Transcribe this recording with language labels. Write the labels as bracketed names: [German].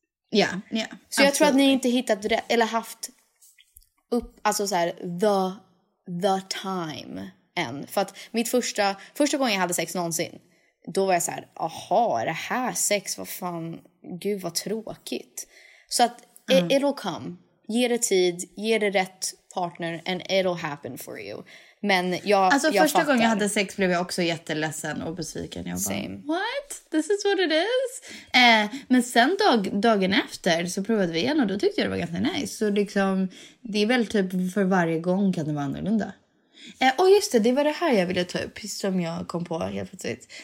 [English] Yeah. [Swedish] Så absolutely. Jag tror att ni inte hittat rätt, eller haft upp, alltså så här, [English] the time [Swedish] än. För att mitt första gången jag hade sex någonsin, då var jag så här, aha, är det här sex? Vad fan, gud vad tråkigt. Så att [English] it'll come. [Swedish] Ge det tid, ge det rätt partner, [English] and it'll happen for you. [Swedish] Men jag, alltså jag första gången jag hade sex blev jag också jätteledsen och besviken. Jag bara, [English] same. What? This is what it is? [Swedish] Men sen dagen efter så provade vi igen och då tyckte jag det var ganska nice. Så liksom, det är väl typ för varje gång kan det vara annorlunda. Och just det var det här jag ville ta upp som jag kom på helt plötsligt.